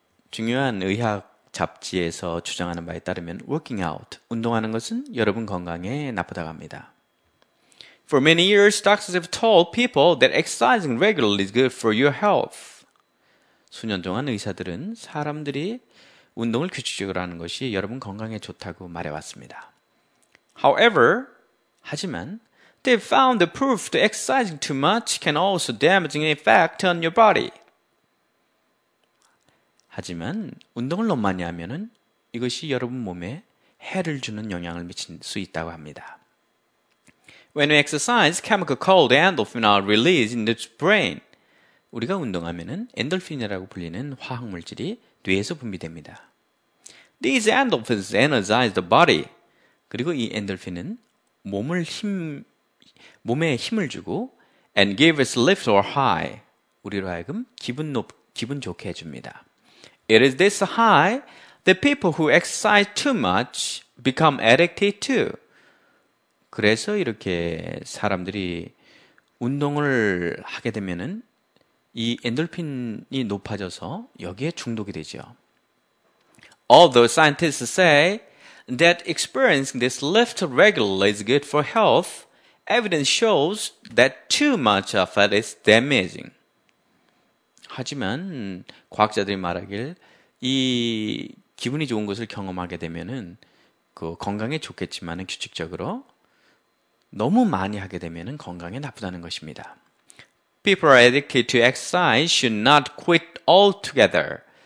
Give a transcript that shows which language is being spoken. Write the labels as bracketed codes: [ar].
[ko] 중요한 의학 잡지에서 주장하는 바에 따르면 [en] working out, [ko] 운동하는 것은 여러분 건강에 나쁘다고 합니다. [en] For many years, doctors have told people that exercising regularly is good for your health. [ko] 수년 동안 의사들은 사람들이 운동을 규칙적으로 하는 것이 여러분 건강에 좋다고 말해왔습니다. [en] However, [ko] 하지만, [en] they found the proof that exercising too much can also damaging effect on your body. [ko] 하지만, 운동을 너무 많이 하면은 이것이 여러분 몸에 해를 주는 영향을 미칠 수 있다고 합니다. [en] When we exercise, chemical called endorphin are released in the brain. [ko] 우리가 운동하면은 엔돌핀이라고 불리는 화학 물질이 뇌에서 분비됩니다. [en] These endorphins energize the body. [ko] 그리고 이 엔돌핀은 몸에 힘을 주고 [en] and give us lift or high. [ko] 우리로 하여금 기분 좋게 해 줍니다. [en] It is this high that people who exercise too much become addicted to. [ko] 그래서 이렇게 사람들이 운동을 하게 되면은 이 엔돌핀이 높아져서 여기에 중독이 되죠. [en] Although scientists say that experiencing this lift regularly is good for health, evidence shows that too much of it is damaging. [ko] 하지만 과학자들이 말하길 이 기분이 좋은 것을 경험하게 되면은 그 건강에 좋겠지만은 규칙적으로 너무 많이 하게 되면은 건강에 나쁘다는 것입니다. [en] People are addicted to exercise should not quit altogether.